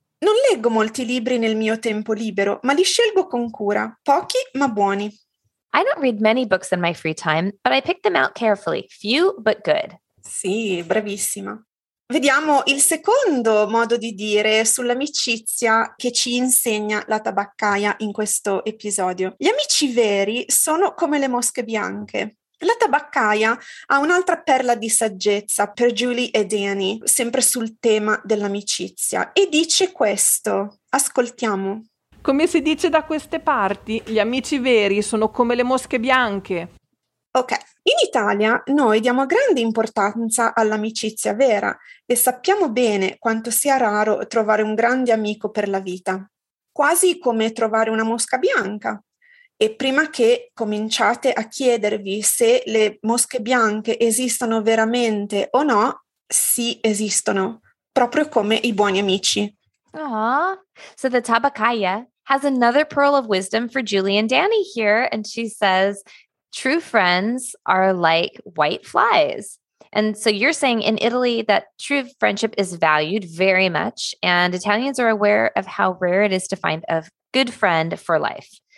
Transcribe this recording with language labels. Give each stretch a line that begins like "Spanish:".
Italian: Non leggo molti libri nel mio tempo libero, ma li scelgo con cura, pochi ma buoni.
English: I don't read many books in my free time, but I pick them out carefully, few but good.
Italian: Sì, bravissima. Vediamo il secondo modo di dire sull'amicizia che ci insegna la tabaccaia in questo episodio. Gli amici veri sono come le mosche bianche. La tabaccaia ha un'altra perla di saggezza per Julie e Danny, sempre sul tema dell'amicizia, e dice questo. Ascoltiamo. Come si dice da queste parti, gli amici veri sono come le mosche bianche. Ok. In Italia noi diamo grande importanza all'amicizia vera e sappiamo bene quanto sia raro trovare un grande amico per la vita. Quasi come trovare una mosca bianca. E prima che cominciate a chiedervi se le mosche bianche esistono veramente o no, sì, esistono, proprio come i buoni amici. Aww.
English: So the Tabacaya has another pearl of wisdom for Julie and Danny here, and she says, true friends are like white flies. And so you're saying in Italy that true friendship is valued very much, and Italians are aware of how rare it is to find a good friend for life.